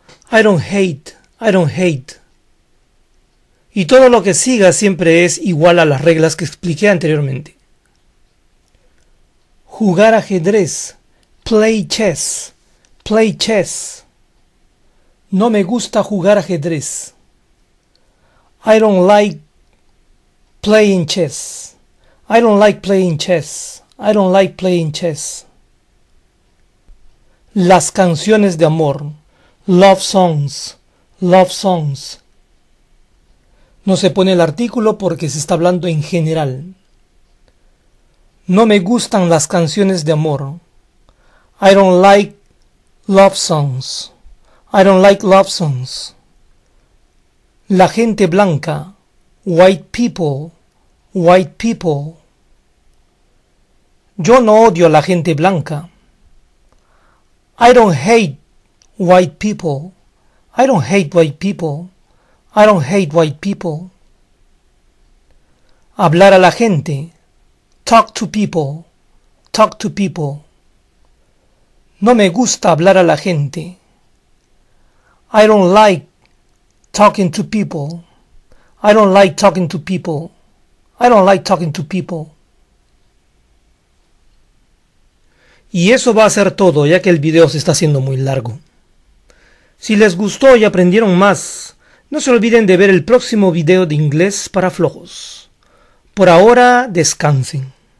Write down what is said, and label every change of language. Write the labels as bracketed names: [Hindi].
[English] I don't hate, I don't hate. [Spanish] Y todo lo que siga siempre es igual a las reglas que expliqué anteriormente. Jugar ajedrez. [English] Play chess. Play chess. [Spanish] No me gusta jugar ajedrez. [English] I don't like playing chess. I don't like playing chess. I don't like playing chess. [Spanish] Las canciones de amor. [English] Love songs. Love songs. [Spanish] No se pone el artículo porque se está hablando en general. No me gustan las canciones de amor. [English] I don't like love songs. I don't like love songs. [Spanish] La gente blanca. [English] White people. White people. [Spanish] Yo no odio a la gente blanca. [English] I don't hate white people. I don't hate white people. I don't hate white people. [Spanish] Hablar a la gente. [English] Talk to people. Talk to people. [Spanish] No me gusta hablar a la gente. [English] I don't like talking to people. I don't like talking to people. I don't like talking to people. [Spanish] Y eso va a ser todo, ya que el video se está haciendo muy largo. Si les gustó y aprendieron más, no se olviden de ver el próximo video de inglés para flojos. Por ahora, descansen.